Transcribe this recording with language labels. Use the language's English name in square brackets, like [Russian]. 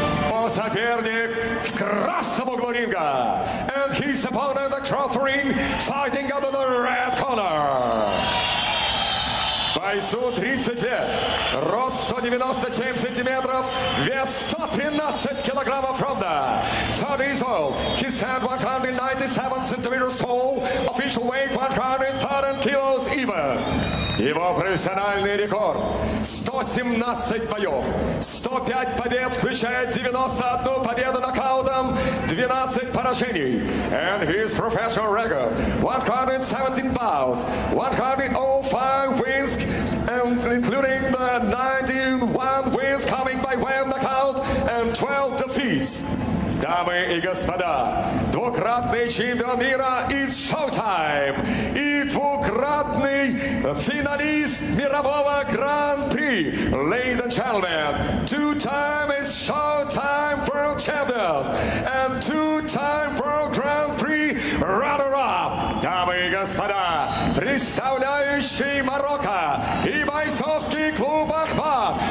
[Russian] О, соперник в красном углу ринга. [English] And his opponent, Crawfording, fighting under the red corner. [Russian] Бойцу 30 лет. Рост 197 сантиметров. Вес 113 килограммов ровно. [English] 30 years old. His stand 197 centimeters tall. Official weight 130 kilos even. [Russian] Его профессиональный рекорд 117 боев, 105 побед, включая 91 победу нокаутом, 12 поражений. [English] And his professional record 117 bouts, 105 wins, including the 91 wins coming by way of knockout and 12 defeats. [Russian] Дамы и господа, двукратный чемпион мира из Showtime и двукратный финалист мирового гран-при. [English] Ladies and gentlemen, two-time is Showtime World Champion and two-time World Grand Prix runner-up. [Russian] Дамы и господа, представляющий Марокко и бойцовский клуб Ахма.